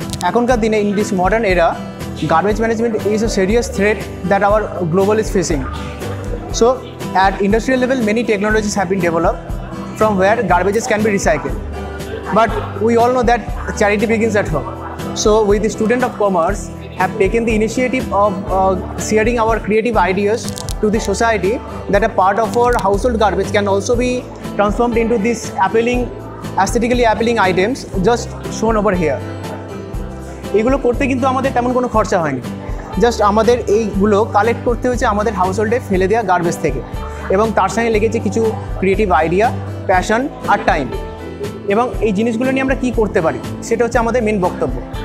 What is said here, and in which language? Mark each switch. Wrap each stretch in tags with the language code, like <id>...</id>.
<bn>এখনকার দিনে</bn> <en>In this modern era garbage management is a serious threat that our global is facing. So at industrial level many technologies have been develop from where garbages can be recycle, but we all know that charity begins at home. So with the student of commerce have taken the initiative of sharing our creative ideas to the society that a part of our household garbage can also be transformed into this appealing, aesthetically appealing items just shown over here.</en> <bn>এগুলো করতে কিন্তু আমাদের তেমন কোনো খরচা হয়নি, just আমাদের এইগুলো কালেক্ট করতে হয়েছে আমাদের হাউসহোল্ডে ফেলে দেওয়া গার্বেজ থেকে, এবং তার সঙ্গে লেগেছে কিছু ক্রিয়েটিভ আইডিয়া, প্যাশন আর টাইম। এবং এই জিনিসগুলো নিয়ে আমরা কী করতে পারি সেটা হচ্ছে আমাদের মেন বক্তব্য।</bn>